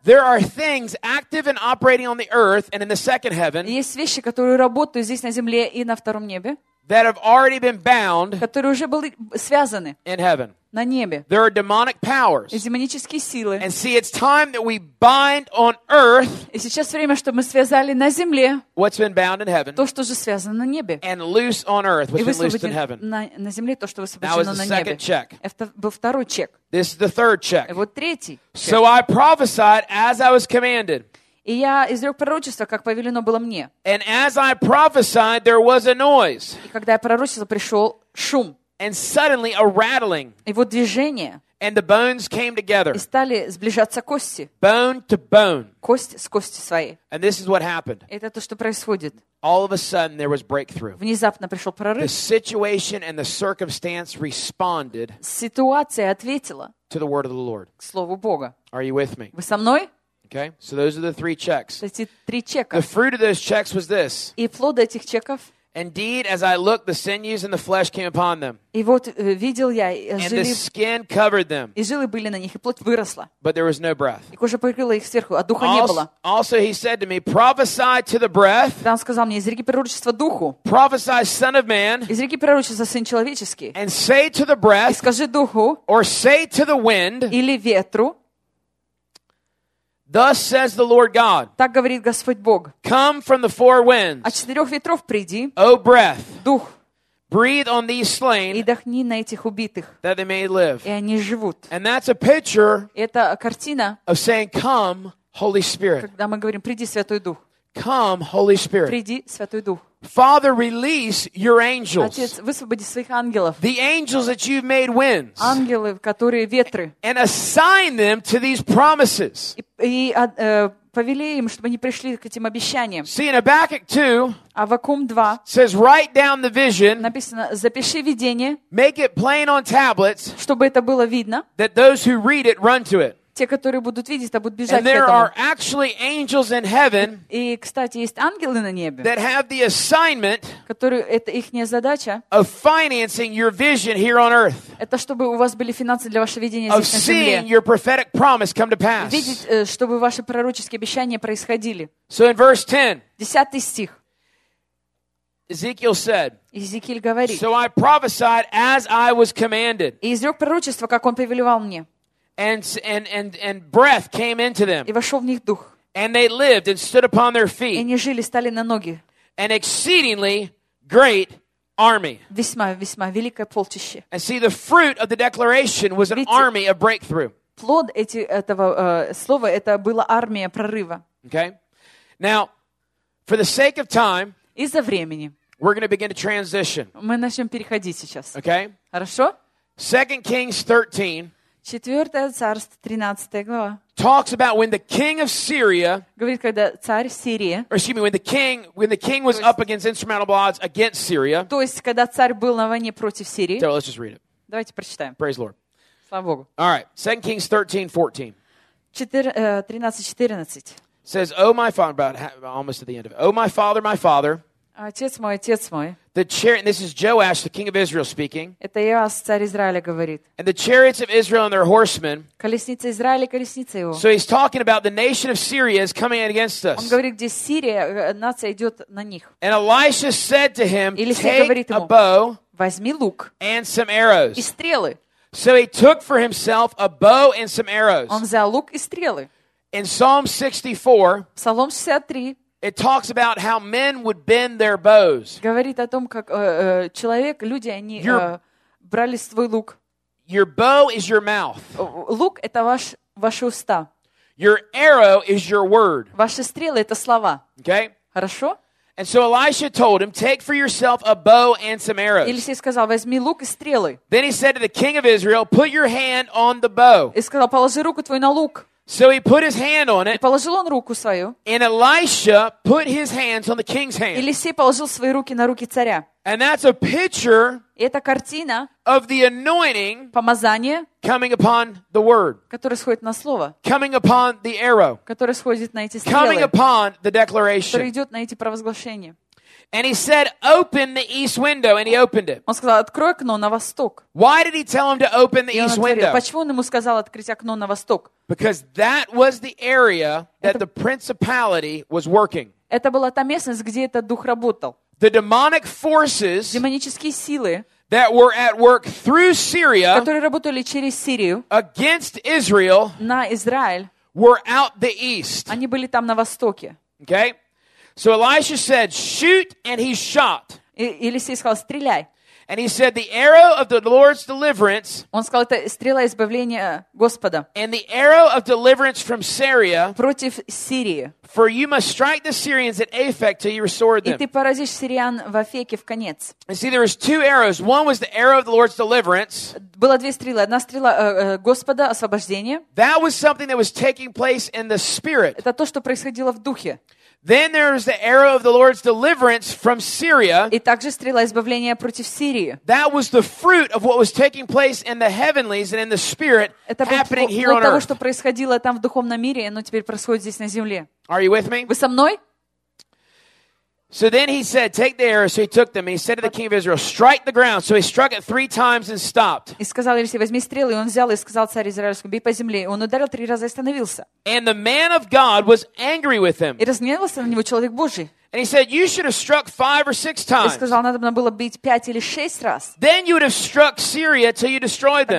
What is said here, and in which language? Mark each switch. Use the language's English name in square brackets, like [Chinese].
[English] there are things active and operating on the earth and in the second heaven. [Russian] Есть вещи, которые работают здесь на земле и на втором небе. [English] That have already been bound. [Russian] Которые уже были связаны. [English] In heaven. [Russian] На небе. [English] There are demonic powers. [Russian] И демонические силы. [English] And see, it's time that we bind on earth. [Russian] И сейчас время, чтобы мы связали на земле. [English] What's been bound in heaven. [Russian] То, что уже связано на небе. [English] And loose on earth, what's been loosed in heaven. [Russian] На земле то, что высвобождено на небе. [English] That was the second check. [Russian] Это был второй чек. [English] This is the third check. [Russian] И вот третий. Check. [English] So I prophesied as I was commanded. [Russian] И я изрек пророчество, как повелено было мне. [English] And as I prophesied, there was a noise. [Russian] И когда я пророчествовал, пришел шум. [English] And suddenly a rattling. [Russian] И вот движение. [English] And the bones came together. [Russian] И стали сближаться кости. [English] Bone to bone. [Russian] Кость с кости своей. [English] And this is what happened. [Russian] Это то, что происходит. [English] All of a sudden there was breakthrough. [Russian] Внезапно пришел прорыв. [English] The situation and the circumstance responded. [Russian] Ситуация ответила. [English] To the word of the Lord. [Russian] К слову Бога. [English] Are you with me? [Russian] Вы со мной? [English] Okay, so those are the three checks. [Russian] Эти три чека. [English] The fruit of those checks was this. [Russian] И плод этих чеков. [English] Indeed, as I looked, the sinews and the flesh came upon them. [Russian] И вот видел я, жили. [English] And the skin covered them. [Russian] И жилы были на них, и плоть выросла. [English] But there was no breath. [Russian] И кожа покрыла их сверху, а духа не было. [English] Also, he said to me, prophesy to the breath. [Russian] Там сказал мне, изреки пророчество духу. [English] Prophesy, son of man. [Russian] Изреки пророчество сын человеческий. [English] And say to the breath. [Russian] И скажи духу. [English] Or say to the wind. [Russian] Или ветру. [English] Thus says the Lord God. [Russian] Так говорит Господь Бог. [English] Come from the four winds. [Russian] От четырех ветров приди. [English] O breath. [Russian] Дух. [English] Breathe on these slain. [Russian] И вдохни на этих убитых. [English] That they may live. [Russian] И они живут. [English] And that's a picture. [Russian] Это картина. [English] Of saying, come, Holy Spirit. [Russian] Когда мы говорим, приди, Святой Дух. [English] Come, Holy Spirit. [Russian] Приди, Святой Дух. [English] Father, release your angels. [Russian] Отец, высвободи своих ангелов. [English] The angels that you've made winds. [Russian] Ангелы, которые ветры. [English] And assign them to these promises. [Russian] И повели им, чтобы они пришли к этим обещаниям. [English] See, in Habakkuk 2, [Russian] Аввакум 2 [English] says, write down the vision, [Russian] написано, запиши видение, [English] make it plain on tablets, [Russian] чтобы это было видно, [English] that those who read it run to it. [Russian] Те, которые будут видеть, а будут бежать [English] and there [Russian] к этому. [English] Are actually angels in heaven, [Russian] и, кстати, есть ангелы на небе, [English] that have the assignment, [Russian] которые, это ихняя задача, [English] of financing your vision here on earth, [Russian] это чтобы у вас были финансы для вашего видения здесь, [English] of [Russian] на земле, [English] seeing your prophetic promise come to pass. [Russian] Видеть, чтобы ваши пророческие обещания происходили. [English] So in verse 10, [Russian] 10 стих, [English] Ezekiel said, [Russian] Иезекииль говорит, [English] so I prophesied as I was commanded. [Russian] И изрек пророчество, как он повелевал мне. [English] And breath came into them. [Russian] И вошел в них дух. [English] And they lived and stood upon their feet. [Russian] И они жили, стали на ноги. [English] An exceedingly great army. [Russian] Весьма, весьма великое полчище. [English] And see, the fruit of the declaration was an army of breakthrough. [Russian] Плод этого слова это была армия прорыва. [English] Okay. Now, for the sake of time, [Russian] из-за времени, [English] we're going to begin to transition. [Russian] Мы начнем переходить сейчас. [English] Okay. [Russian] Хорошо. [English] 2 Kings 13. [Russian] 4 царство, 13 глава. [English] Talks about when the king of Syria. [Russian] Говорит, когда царь Сирии. [English] Or excuse me, when the king was up against insurmountable odds against Syria. [Russian] То есть, когда царь был на войне против Сирии. [English] So, let's just read it. [Russian] Давайте прочитаем. [English] Praise the Lord. [Russian] Слава Богу. [English] All right, 2 Kings 13:14. [Russian] 13:14. [English] Says, "Oh my father," about almost at the end of it. "Oh my father, my father." [Russian] Отец мой, отец мой. [English] The chariot, and this is Joash, the king of Israel, speaking. [Russian] Это Иоас, царь Израиля, говорит. [English] And the chariots of Israel and their horsemen. [Russian] Колесница Израиля, колесница его. [English] So he's talking about the nation of Syria is coming against us. [Russian] Он говорит, где Сирия, нация идет на них. [English] And Elisha said to him, take a bow, [Russian] возьми лук, [English] and some arrows. [Russian] И стрелы. [English] So he took for himself a bow and some arrows. [Russian] Он взял лук и стрелы. [English] In Psalm 64. [Russian] Псалом 63. [English] It talks about how men would bend their bows. [Russian] Говорит о том, как человек, люди, они брали свой лук. [English] Your bow is your mouth. [Russian] Лук это ваши уста. [English] Your arrow is your word. [Russian] Ваши стрелы это слова. [English] Okay? [Russian] Хорошо? [English] And so Elisha told him, take for yourself a bow and some arrows. [Russian] Елисей сказал, возьми лук и стрелы. [English] Then he said to the king of Israel, put your hand on the bow. [Russian] И сказал, положи руку твою на лук. [English] So he put his hand on it. [Russian] И положил он руку свою. [English] And Elisha put his hands on the king's hand. [Russian] Елисей положил свои руки на руки царя. [English] And that's a picture. [Russian] Это картина. [English] Of the anointing. [Russian] Помазание. [English] Coming upon the word. [Russian] Которое сходит на слово. [English] Coming upon the arrow. [Russian] Которое сходит на эти стрелы. [English] Coming upon the declaration. [Russian] Которое идет на эти провозглашения. [English] And he said, "Open the east window," and he opened it. [Russian] Он сказал, открой окно на восток. [English] Why did he tell him to open the east window? [Russian] Почему он ему сказал открыть окно на восток? [English] Because that was the area that the principality was working. [Russian] Это была та местность, где этот дух работал. [English] The demonic forces. [Russian] Демонические силы. [English] That were at work through Syria. [Russian] Которые работали через Сирию. [English] Against Israel. [Russian] На Израиль. [English] Were out the east. [Russian] Они были там на востоке. [English] Okay. So Elisha said, "Shoot," and he shot. [Russian] Елисей сказал, стреляй. [English] And he said, "The arrow of the Lord's deliverance." [Russian] Он сказал, это стрела избавления Господа. [English] And the arrow of deliverance from Syria. [Russian] Против Сирии. [English] For you must strike the Syrians at Aphek till you restore them. [Russian] И ты поразишь сириан в Афеке в конец. [English] And see, there was two arrows. One was the arrow of the Lord's deliverance. [Russian] Было две стрелы. Одна стрела Господа освобождения. [English] That was something that was taking place in the spirit. [Russian] Это то, что происходило в духе. [English] Then there is the arrow of the Lord's deliverance from Syria. [Russian] И также стрела избавления против Сирии. [English] That was the fruit of what was taking place in the heavenlies and in the spirit happening here on earth. [Russian] Это то, что происходило там в духовном мире, оно теперь происходит здесь на земле. [English] Are you with me? [Russian] Вы со мной? [English] So then he said, "Take the arrows." So he took them. And he said to the king of Israel, "Strike the ground." So he struck it three times and stopped. [Russian] И сказал Елисей, возьми стрелы. Он взял и сказал царю израильскому, бей по земле. Он ударил три раза и остановился. [English] And the man of God was angry with him. [Russian] И разгневался на него человек Божий. [English] And he said, "You should have struck five or six times." [Russian] И сказал, надо было бить пять или шесть раз. [English] Then you would have struck Syria till you destroyed them.